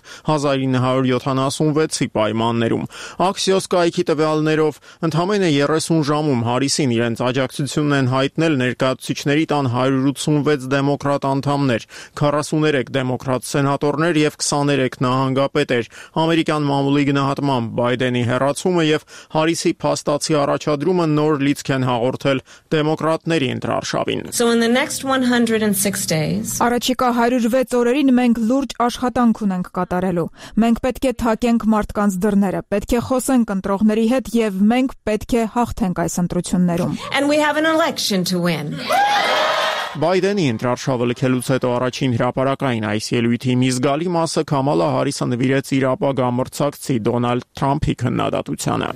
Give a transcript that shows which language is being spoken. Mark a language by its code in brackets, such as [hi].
[hy] 1976-ի պայմաններում։ Axios կայքի տվյալներով ընդամենը 30 ժամում Հարիսին իրենց աջակցությունն են հայտնել ներկայացուցիչների տան 186 դեմոկրատ անդամներ, 43 դեմոկրատ սենատորներ և 23 նահանգապետեր։ Ամերիկյան մամուլի գնահատմամբ Բայդենի հեռացումը և Հարիսի փաստացի առաջադրումը նոր լիցք են հաղորդել դեմոկրատների ընտրարշավին։ [en] So in the next 106 days, [hy] առաջիկա 106 օրերին մենք լուրջ աշխատանք ունենք կատարելու։ Մենք պետք է թակենք մարդկանց դռները, պետք է խոսենք ընտրողների հետ և մենք պետք է հաղթենք այս ընտրություններում։ [en] And we have an election to win. [hy] Բայդենի ընտրարշավը լքելուց հետո առաջին հրապարակային այս ելույթի մի զգալի մասը Քամալա Հարիսը նվիրեց իր ապագա մրցակցի Դոնալդ Թրամփի քննադատությանը։